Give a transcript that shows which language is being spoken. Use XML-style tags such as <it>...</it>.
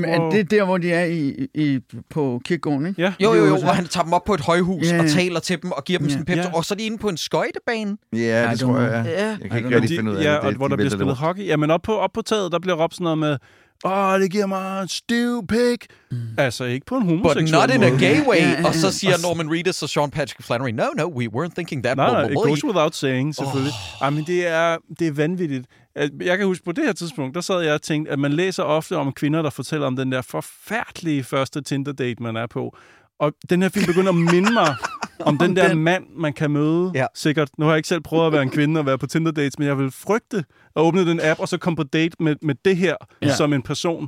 <da>Jamen, hvor... det er der, hvor de er i på kirkegården, ikke? Ja. Jo, hvor han tager dem op på et højhus og taler til dem og giver dem sådan en pep-talk. Og så er de inde på en skøjtebane. Ja, det tror jeg. Jeg kan ikke rigtig finde ud af det. Og hvor der bliver spillet hockey. Jamen, op på taget, der bliver råbt sådan noget med... Åh, det giver mig en stiv pik. Mm. Altså, ikke på en homoseksuel måde.</da> <en>But not in a gay way. Yeah.</en> <da>Og så siger</da> <en>Norman Reedus og Sean Patrick Flannery, no, we weren't thinking that.</en> <da>Nej,</da> <en>it goes without saying,</en> <da>selvfølgelig. Det er vanvittigt. Jeg kan huske, på det her tidspunkt, der sad jeg og tænkte, at man læser ofte om kvinder, der fortæller om den der forfærdelige første Tinder-date, man er på. Og den her film begynder at minde mig om den der mand, man kan møde. Ja. Sikkert, nu har jeg ikke selv prøvet at være en kvinde og være på Tinder-dates, men jeg vil frygte at åbne den app og så komme på date med det her som en person.</da>